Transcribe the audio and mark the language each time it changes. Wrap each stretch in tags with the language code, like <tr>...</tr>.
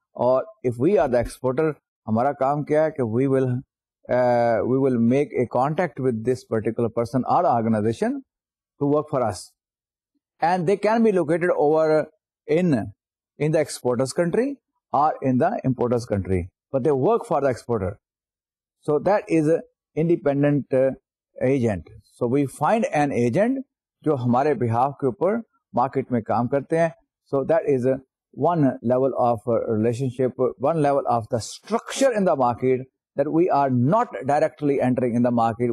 <en>aur if we are the exporter,</en> <ur>hamara kaam kya hai ki</ur> <en>we will make a contact with this particular person or organization to work for us, and they can be located over in the exporter's country or in the importer's country, but they work for the exporter. So that is a independent agent. So we find an agent</en> <ur>جو ہمارے behalf کے اوپر market میں کام کرتے ہیں.</ur> <en>So that is one level of relationship, one level of the structure in the market that we are not directly entering in the market.</en>